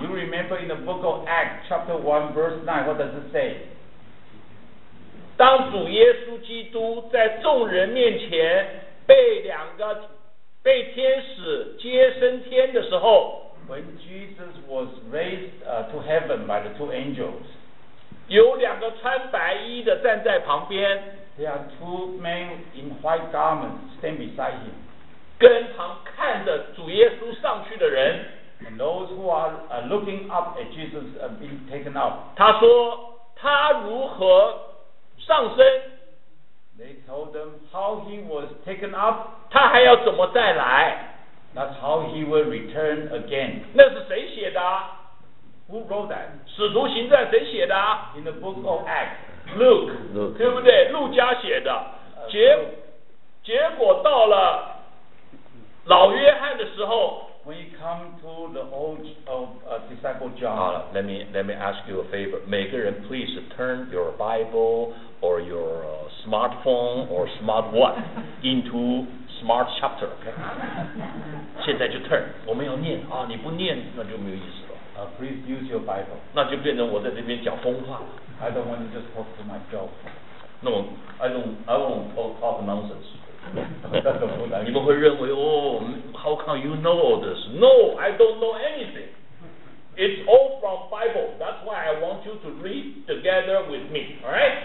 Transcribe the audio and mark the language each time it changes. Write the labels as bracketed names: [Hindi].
[English] ？You remember in the book of Acts, chapter 1, verse 9, what does it say? [Chinese] 当主耶稣基督在众人面前被天使接升天的时候 [English] ，When Jesus was raised to heaven by the two angels, [Chinese] 有两个穿白衣的站在旁边 [English] ，There are two men in white garments stand beside him. [Chinese] 跟旁看着主耶稣上去的人 [English] ，and those who are looking up at Jesus being taken up， [Chinese] 他说他如何上升 [English] ，they told them how he was taken up， [Chinese] 他还要怎么再来 [English] ，that's how he will return again。 [Chinese] 那是谁写的 [English] ？Who wrote that？ [Chinese] 使徒行传谁写的 [English] ？In the book of Acts， [Chinese] Luke， 对不对？路加写的，结果到了。老约翰的时候 [English] ，When you come to the old of disciple John， [Chinese] 好了 [English] ，Let me ask you a favor， [Chinese] 每个人 [English] please turn your Bible or your smartphone or smartwatch into smart chapter， OK？ [Chinese] 现在就 turn， 我们要念啊，你不念那就没有意思了。 [English] Please use your Bible， [Chinese] 那就变成我在这边讲疯话了。 [English] I don't want to just talk to myself。 No， I won't talk nonsense。 [Chinese] 你们会认为哦 [English] ，How come you know all this? No, I don't know anything. It's all from Bible. That's why I want you to read together with me. All right?